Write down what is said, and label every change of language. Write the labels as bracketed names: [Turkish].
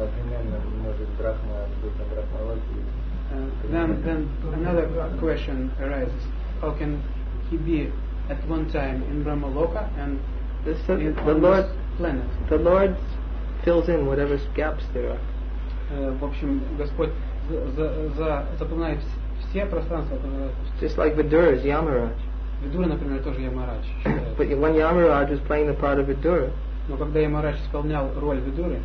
[Russian] Например, может Брахма быть на Брахмалоке? [English] Then another question arises. How can he be at one time in Brahmaloka and planet? The Lord fills in whatever gaps there are. [Russian] В общем, Господь заполняет все пространства. [English] Just like Vidura is Yamaraj. [Russian] Vidura, например, тоже Ямарадж. [English] But when Yamaraj was playing the part of Vidura, [Russian] но когда Ямарадж исполнял роль Vidura,